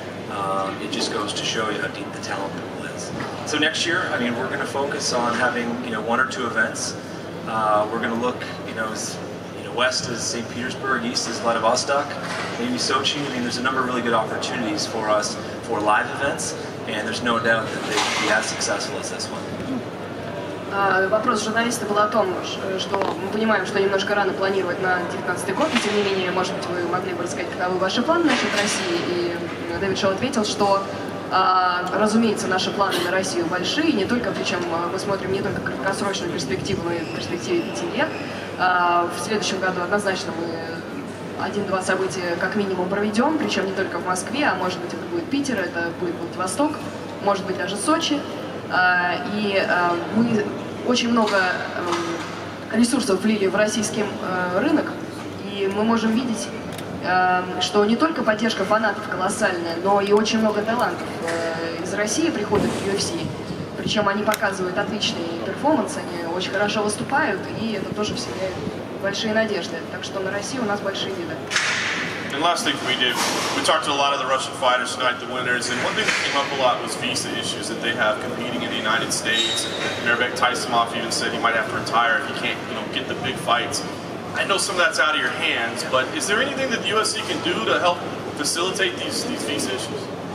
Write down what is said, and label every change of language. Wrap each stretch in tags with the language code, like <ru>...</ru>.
<en>it just goes to show you how deep the talent pool is. So next year, I mean, we're going to focus on having, you know, one or two events. We're going to look, you know, as, you know, west is St. Petersburg, east is Vladivostok, maybe Sochi. I mean, there's a number of really good opportunities for us for live events, and there's no doubt that they can be as successful as this one.</en> <ru>Вопрос журналиста был о том, что мы понимаем, что немножко рано планировать на 2019 год, но тем не менее, может быть, вы могли бы рассказать, каковы ваши планы насчет России. И Дэвид Шоу ответил, что, разумеется, наши планы на Россию большие, не только, причем мы смотрим не только краткосрочную перспективу, но и в перспективе 5 лет. В следующем году однозначно мы 1-2 события как минимум проведем, причем не только в Москве, а может быть, это будет Питер, это будет Владивосток, может быть, даже Сочи. И мы очень много ресурсов влили в российский рынок, и мы можем видеть, что не только поддержка фанатов колоссальная, но и очень много талантов из России приходят в UFC. Причем они показывают отличный перформанс, они очень хорошо выступают, и это тоже вселяет большие надежды. Так что на России у нас большие виды.</ru> <en>And last thing we did, we talked to a lot of the Russian fighters tonight, the winners, and one thing that came up a lot was visa issues that they have competing in the United States. Mirbek Taisimov even said he might have to retire if he can't, you know, get the big fights. I know some of that's out of your hands, but is there anything that the UFC can do to help facilitate these visa issues?</en>